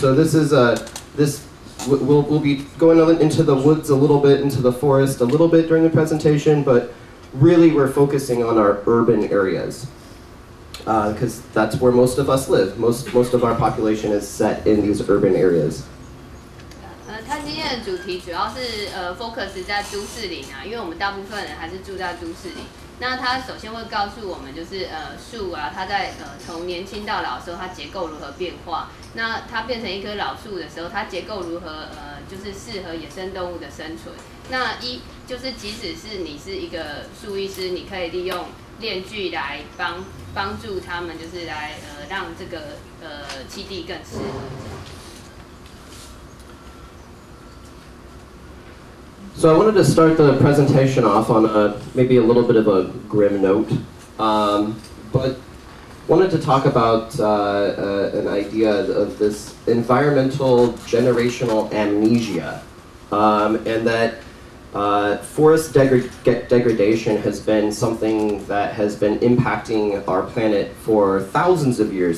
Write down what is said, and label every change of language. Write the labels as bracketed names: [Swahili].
[English] So this is a, we'll be going into the woods a little bit, into the forest a little bit during the presentation, but really we're focusing on our urban areas. Because that's where most of us live. Most of our population is set in these urban areas. [Chinese] 他今天的主题主要是focus 在都市里啊，因为我们大部分人还是住在都市里。那他首先会告诉我们，就是树啊，它在从年轻到老的时候，它结构如何变化。那它变成一棵老树的时候，它结构如何就是适合野生动物的生存。那一就是即使是你是一个树医师，你可以利用链锯来帮助他们，就是来让这个栖地更适合。 [English] So I wanted to start the presentation off on a, maybe a little bit of a grim note, but wanted to talk about an idea of this environmental generational amnesia, and that forest degradation has been something that has been impacting our planet for thousands of years.